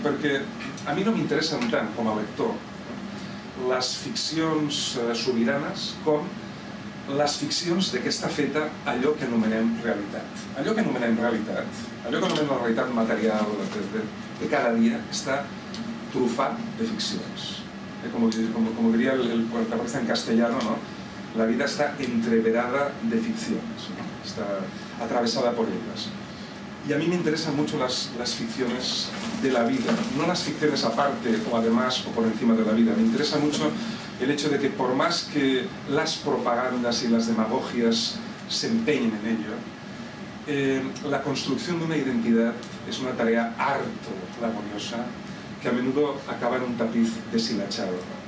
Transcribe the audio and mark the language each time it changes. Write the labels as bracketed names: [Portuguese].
[Catalan] Perquè a mi no m'interessen tant, com a lector, les ficcions sobiranes com les ficcions d'aquesta feta allò que anomenem realitat. Allò que anomenem realitat, allò que anomenem la realitat material de cada dia, està trufat de ficcions. Com diria el cuartavista en castellano, no? [Spanish] La vida està entreverada de ficciones, no? Está atravesada por ellas. Y a mí me interesan mucho las ficciones de la vida, no las ficciones aparte o además o por encima de la vida. Me interesa mucho el hecho de que por más que las propagandas y las demagogias se empeñen en ello, la construcción de una identidad es una tarea harto laboriosa que a menudo acaba en un tapiz deshilachado.